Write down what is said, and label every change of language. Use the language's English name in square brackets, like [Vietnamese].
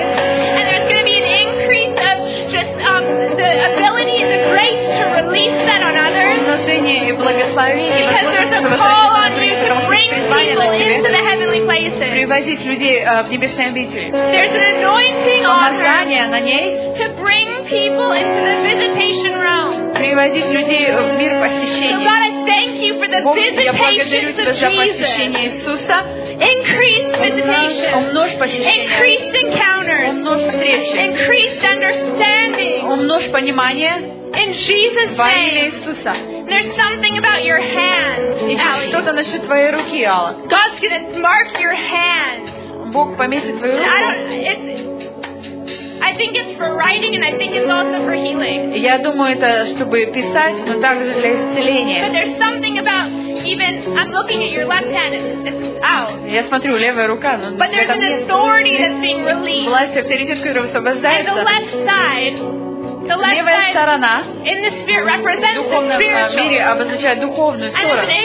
[English] And there's going to be an increase of just the ability and the grace to release that on others. Because there's a call on you to bring people into the heavenly places. [Russian] Привозить людей в небесные обители. [English] There's an anointing on her to bring people into the visitation realm. [Russian] Привозить людей в мир посещения. [English] So God, I thank you for the visitation of Jesus. Increase visitation. Increase encounters. Increase understanding. [Russian] Умножь понимание. [English] In Jesus' name. There's something about your hands. [Russian] Что-то насчет твоей руки, Алла. [English] God's gonna mark your hands. [Russian] Бог пометит твою руку. [English] I think it's for writing, and I think it's also for healing. [Russian] Я думаю, это чтобы писать, но также для исцеления. [English] But there's something about even I'm looking at your left hand. Out. [Russian] Я смотрю, левая рука, но [English] But there's an authority that's being released. [Russian] Власть, авторитет, который освобождается. [English] And the left side. [Russian] Левая сторона в духовном мире обозначает духовную сторону.